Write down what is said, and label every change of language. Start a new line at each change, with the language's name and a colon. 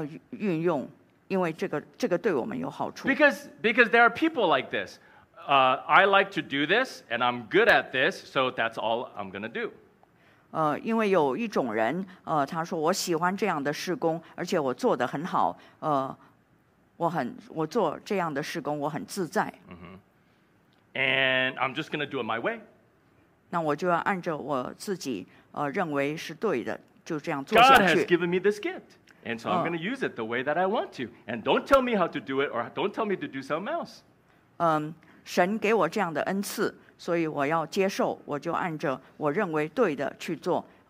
Chinese: 运用，因为这个对我们有好处。
English: Because there are people like this. I like to do this, and I'm good at this, so that's all I'm gonna do.
Chinese: 因为有一种人，他说我喜欢这样的事工，而且我做得很好。我做这样的事工，我很自在。 Mm-hmm.
English: And I'm just gonna do it my way.
Chinese: 那我就要按照我自己认为是对的。
English: God has given me this gift, and so I'm going to use it the way that I want to. And don't tell me how to do it, or don't tell me to do something else.
Chinese: 神给我这样的恩赐，所以我要接受，我就按着我认为对的去做。